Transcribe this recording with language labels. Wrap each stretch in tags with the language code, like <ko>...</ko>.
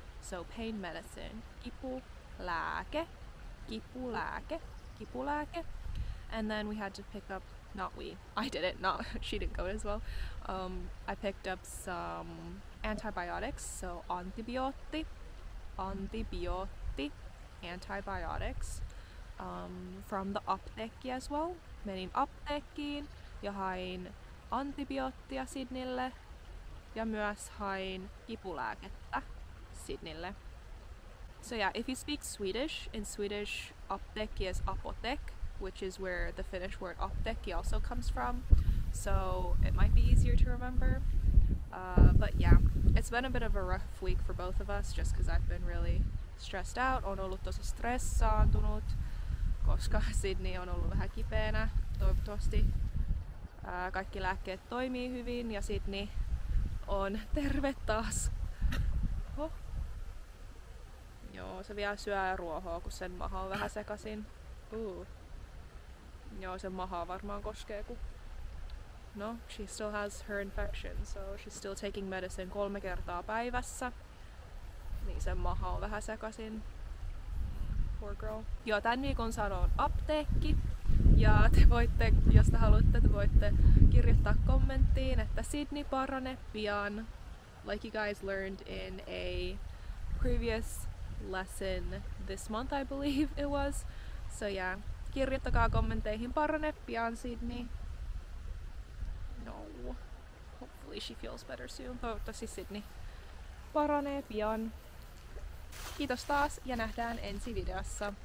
<en>So pain medicine, kipulääke, kipulääke, kipulääke. And then we had to pick up, not we, I didn't, not, she didn't go as well. I picked up some antibiotics, so antibiotti, antibiotti, antibiotics, from the apteekki as well.</en> <fi>Menin apteekkiin ja hain antibioottia Sidneylle ja myös hain kipulääkettä Sidneylle.</fi> <en>So yeah, if you speak Swedish, in Swedish apteekki is apotek, which is where the Finnish word apteekki also comes from. So it might be easier to remember. But yeah, it's been a bit of a rough week for both of us, just because I've been really stressed out.</en> <fi>On ollut tosi stressaantunut, koska Sidney on ollut vähän kipeänä. Toivottavasti kaikki lääkkeet toimii hyvin ja Sidney on terve taas. Joo, se vielä syö ruohoa, kun sen maha on vähän sekasin. Joo, sen mahaa varmaan koskee, kun...</fi> <en>No, she still has her infection, so she's still taking medicine</en> <fi>3 kertaa päivässä. Niin sen maha on vähän sekasin.</fi> <en>Poor girl.</en> <fi>Joo, tän viikon sano on apteekki. Ja te voitte, jos te haluatte, te voitte kirjoittaa kommenttiin, että Sidney parane pian.</fi> <en>Like you guys learned in a previous lesson this month, I believe it was. So yeah.</en> <fi>Kirjoittakaa kommentteihin parane pian Sidney. No.</fi> <en>Hopefully she feels better soon.</en> <fi>Toivottavasti Sidney paranee pian. Kiitos taas ja nähdään ensi videossa.</fi>